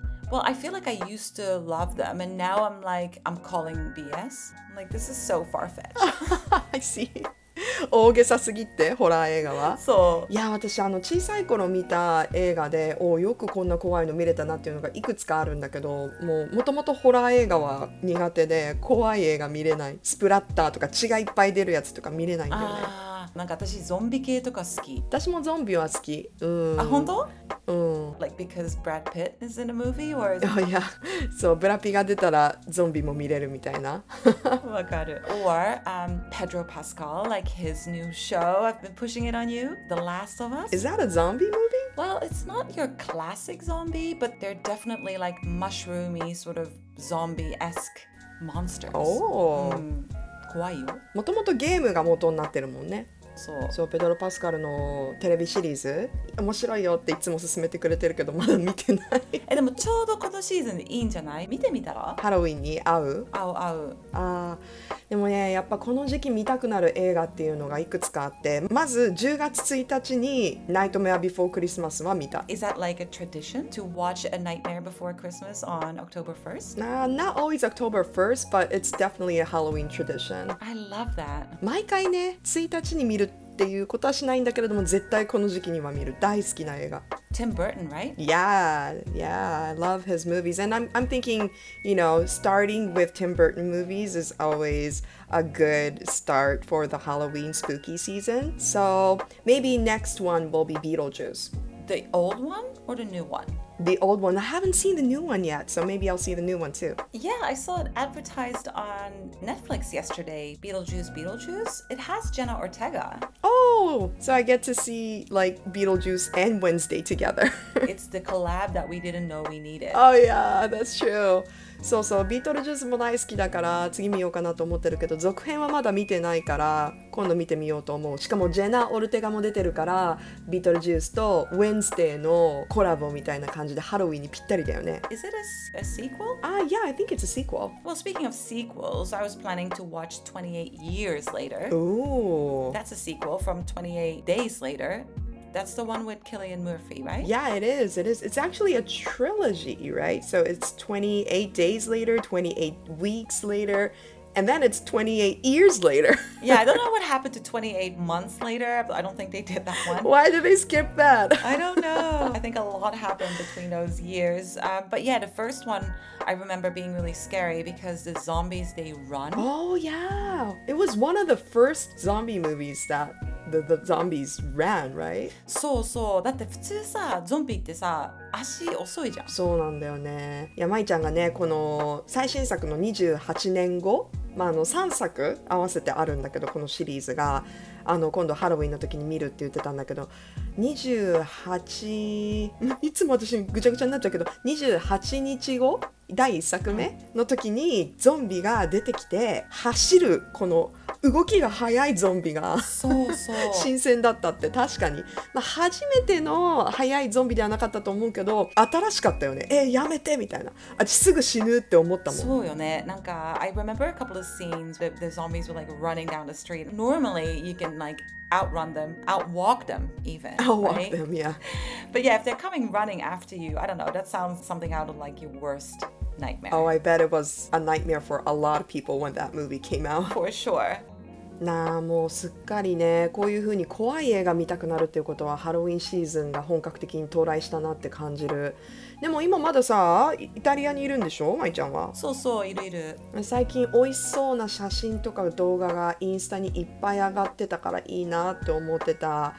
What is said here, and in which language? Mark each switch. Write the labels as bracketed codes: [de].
[en] Well, I feel like I used to love them and now I'm like, I'm calling BS. I'm like, this is so far-fetched. I see. [ja] 大げさすぎってホラー映画は。そういや私あの小さい頃見た映画でおよくこんな怖いの見れたなっていうのがいくつかあるんだけど、もうもともとホラー映画は苦手で怖い映画見れない。スプラッターとか血がいっぱい出るやつとか見れないんだよね。なんか私ゾンビ系とか好き。私もゾンビは好き。うん。あ本当？うん。 [en] Like because Brad Pitt is in a movie or oh yeah, [ja] そうブラピが出たらゾンビも見れるみたいな。わかる。 [en] Or Pedro Pascal, like his new show. I've been pushing it on you. The Last of Us. Is that a zombie movie? Well, it's not your classic zombie, but they're definitely like mushroomy sort of zombie-esque monsters. Oh. Mm. [ja] 怖いよ。もともとゲームが元になってるもんね。そう。そうペドロパスカルのテレビシリーズ面白いよっていつも勧めてくれてるけどまだ見てない。えでもちょうどこのシーズンいいんじゃない？見てみたら？ハロウィンに合う？合う合う。あでもねやっぱこの時期見たくなる映画っていうのがいくつかあって、まず10月1日にナイトメアビフォークリスマスは見た。 Is that like a tradition to watch A Nightmare Before Christmas on October 1st? [en] Not always October 1st, but it's definitely a Halloween tradition. I love that. [ja] 毎回ね1日に見るっていうことはしないんだけれども絶対この時期には見る大好きな映画。 [en] Tim Burton, right? Yeah, yeah, I love his movies. And I'm thinking, you know, starting with Tim Burton movies is always a good start for the Halloween spooky season. So maybe next one will be Beetlejuice. The old one or the new one? The old one. I haven't seen the new one yet, so maybe I'll see the new one too. Yeah, I saw it advertised on Netflix yesterday. Beetlejuice, Beetlejuice. It has Jenna Ortega. Oh, so I get to see like Beetlejuice and Wednesday together. It's the collab that we didn't know we needed. Oh yeah, that's true. [ja] そうそう、ビートルジュースも大好きだから次見ようかなと思ってるけど、続編はまだ見てないから今度見てみようと思う。しかもジェナ・オルテガも出てるからビートルジュースとウェンズデーのコラボみたいな感じでハロウィンにぴったりだよね。 [en] Is it a sequel? Yeah, I think it's a sequel. Well, speaking of sequels, I was planning to watch 28 Years Later. Ooh. That's a sequel from 28 Days Later. That's the one with Cillian Murphy, right? Yeah, it is. It is. It's actually a trilogy, right? So it's 28 days later, 28 weeks later, and then it's 28 years later. Yeah, I don't know what happened to 28 months later. I don't think they did that one. Why did they skip that? I don't know. I think a lot happened between those years. But yeah, the first one, I remember being really scary because the zombies, they run. Oh, yeah. It was one of the first zombie movies that... The zombies ran, right? [ja] そうそう。だって普通さ、ゾンビってさ、足遅いじゃん。そうなんだよね。いや、まいちゃんがね、この最新作の28年後、まあ、あの3作合わせてあるんだけど、このシリーズが、あの今度ハロウィンの時に見るって言ってたんだけど、28… いつも私ぐちゃぐちゃになっちゃうけど、28日後、第1作目の時にゾンビが出てきて、走るこの動きが速いゾンビがそうそう新鮮だったって。確かに、まあ、初めての速いゾンビではなかったと思うけど新しかったよね。やめてみたいな、私すぐ死ぬって思ったもん。そうよね。 [en] なんか I remember a couple of scenes where the zombies were like running down the street. Normally you can like outrun them, outwalk them even. Outwalk、 right? them, yeah. But yeah, if they're coming running after you, I don't know, that sounds something out of like your worstNightmare. Oh, I bet it was a nightmare for a lot of people when that movie came out. For sure. [ja] なあ、もうすっかりね、こういう風に怖い映画見たくなるっていうことはハロウィンシーズンが本格的に到来したなって感じる。でも今まださ、イタリアにいるんでしょ、まいちゃんは。そうそう、いるいる。最近美味しそうな写真とか動画がインスタにいっぱい上がってたからいいなって思ってた。